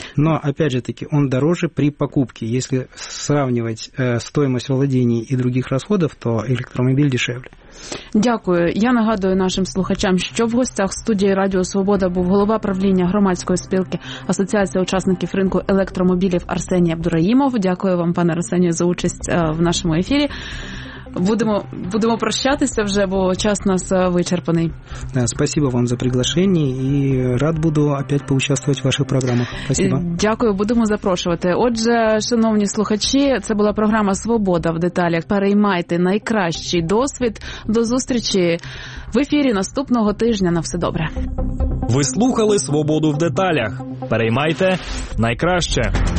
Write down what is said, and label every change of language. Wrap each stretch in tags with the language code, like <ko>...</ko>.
<ru>Но, опять же таки, он дороже при покупке. Если сравнивать стоимость владения и других расходов, то электромобиль дешевле.</ru> <uk>Дякую. Я нагадую нашим слухачам, що в гостях студії Радіо Свобода був голова правління громадської спілки Асоціації учасників ринку електромобілів Арсеній Абдураїмов. Дякую вам, пане Арсенію, за участь в нашому ефірі. Будемо прощатися вже, бо час у нас вичерпаний.</uk> <ru>Спасибо вам за приглашення і рад буду опять поучаствовать в ваших програмах. Спасибо.</ru> <uk>Дякую, будемо запрошувати. Отже, шановні слухачі, це була програма «Свобода в деталях». Переймайте найкращий досвід. До зустрічі в ефірі наступного тижня. На все добре. Ви слухали «Свободу в деталях». Переймайте найкраще.</uk>